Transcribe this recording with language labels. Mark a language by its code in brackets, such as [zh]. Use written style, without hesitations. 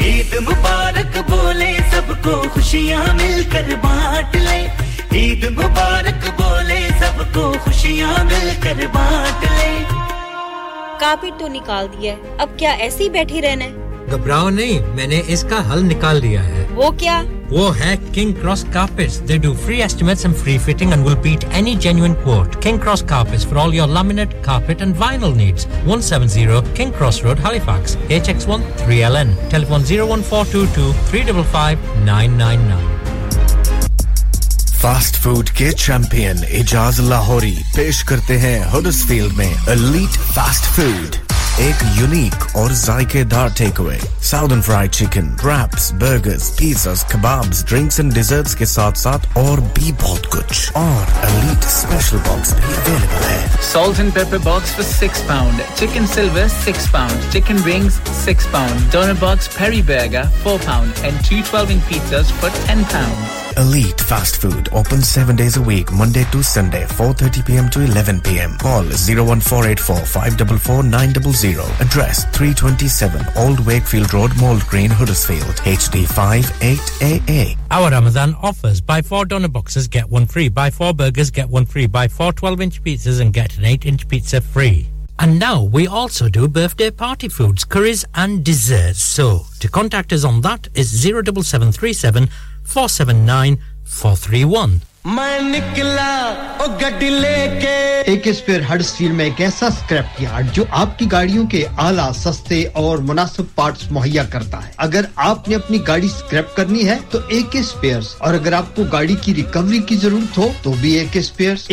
[hi] को खुशियाँ मिलकर बांट ले, ईद मुबारक बोले सबको खुशियाँ मिलकर बांट ले। कापी तो निकाल दिया, अब क्या ऐसे ही बैठी रहना है? घबराओ नहीं, मैंने इसका हल निकाल दिया है। वो क्या? वो है [en] King Cross Carpets. They do free estimates and free fitting and will beat any genuine quote. King Cross Carpets for all your laminate, carpet and vinyl needs. 170 King Cross Road, Halifax. HX1 3LN. Telephone 01422 355 999. [hi] Fast food के champion Ijaz Lahori पेश करते हैं Huddersfield में elite fast food, एक unique और जायकेदार takeaway, southern fried chicken, raps, burgers, pizzas, kebabs, drinks and desserts के साथ साथ और भी बहुत कुछ, और एलीट स्पेशल बॉक्स भी अवेलेबल है। [en] Salt and pepper box for £6, chicken silver £6, chicken rings £6, doner box peri burger £4 and 212 inch pizzas for £10। Elite Fast Food, open 7 days a week, Monday to Sunday, 4:30 p.m. to 11 p.m. Call 01484-544-900. Address 327 Old Wakefield Road, Mould Green, Huddersfield, HD58AA. Our Ramadan offers, buy 4 donor boxes, get 1 free, buy 4 burgers, get 1 free, buy 4 12-inch pizzas and get an 8-inch pizza free. And now we also do birthday party foods, curries and desserts. So, to contact us on that is 07737-479-431. [hi] मैं निकला ओ गाड़ी लेके एक spare Huddersfield में एक ऐसा scrap yard जो आपकी गाड़ियों के आला सस्ते और मुनासिब पार्ट्स मुहैया करता है। अगर आपने अपनी गाड़ी स्क्रैप करनी है तो एक स्पेयर्स, और अगर आपको गाड़ी की रिकवरी की जरूरत हो तो भी एक स्पेयर्स।